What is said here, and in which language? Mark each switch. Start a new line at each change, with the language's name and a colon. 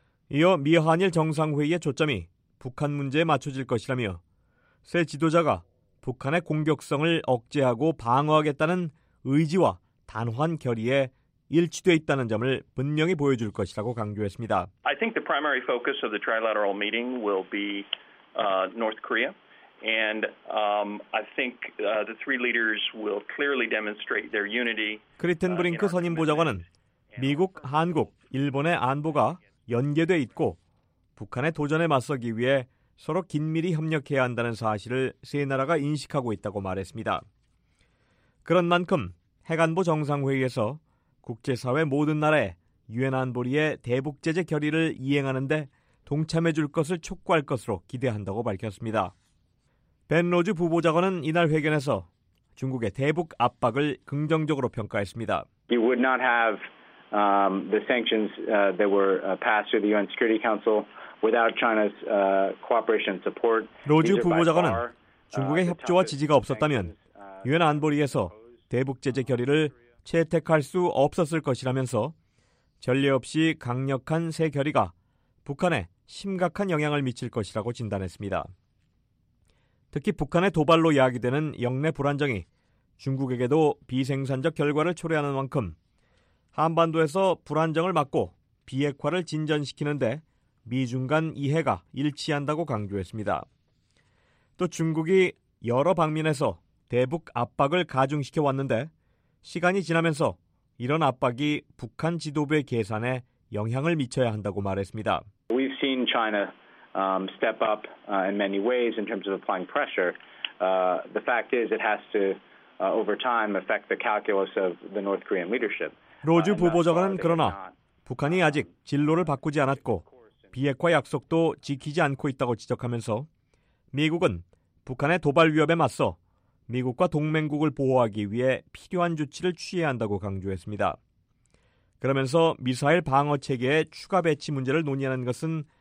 Korean: 이어 미한일 정상회의의 초점이 북한 문제에 맞춰질 것이라며 새 지도자가 북한의 공격성을 억제하고 방어하겠다는 의지와 단호한 결의에 일치돼 있다는 점을 분명히 보여줄 것이라고 강조했습니다.
English: I think the primary focus of the trilateral meeting will be North Korea, and I think the three leaders will clearly demonstrate their unity.
Korean: 크리튼 브링크 선임 보좌관은 미국, 한국, 일본의 안보가 연계돼 있고 북한의 도전에 맞서기 위해 서로 긴밀히 협력해야 한다는 사실을 세 나라가 인식하고 있다고 말했습니다. 그런 만큼 핵안보 정상회의에서 국제사회 모든 나라에 유엔 안보리의 대북제재 결의를 이행하는 데 동참해줄 것을 촉구할 것으로 기대한다고 밝혔습니다. 벤 로즈 부보좌관은 이날 회견에서 중국의 대북 압박을 긍정적으로 평가했습니다.
English: You would not have the sanctions that were passed through the UN Security Council. Without China's cooperation and support,
Korean: 로즈 부보좌관은 중국의 협조와 지지가 없었다면 유엔 안보리에서 대북 제재 결의를 채택할 수 없었을 것이라면서 전례 없이 강력한 새 결의가 북한에 심각한 영향을 미칠 것이라고 진단했습니다. 특히 북한의 도발로 야기되는 역내 불안정이 중국에게도 비생산적 결과를 초래하는 만큼 한반도에서 불안정을 막고 비핵화를 진전시키는데 미중 간 이해가 일치한다고 강조했습니다. 또 중국이 여러 방면에서 대북 압박을 가중시켜 왔는데 시간이 지나면서 이런 압박이 북한 지도부의 계산에 영향을 미쳐야 한다고 말했습니다.
English: We've seen China step up in many ways in terms of applying pressure. The fact is it has to over time affect the calculus of the North Korean leadership.
Korean: 로즈 부보좌관은 그러나 북한이 아직 진로를 바꾸지 않았고 비핵화 약속도 지키지 않고 있다고 지적하면서 미국은 북한의 도발 위협에 맞서 미국과 동맹국을 보호하기 위해 필요한 조치를 취해야 한다고 강조했습니다. 그러면서 미사일 방어 체계의 추가 배치 문제를 논의하는 것은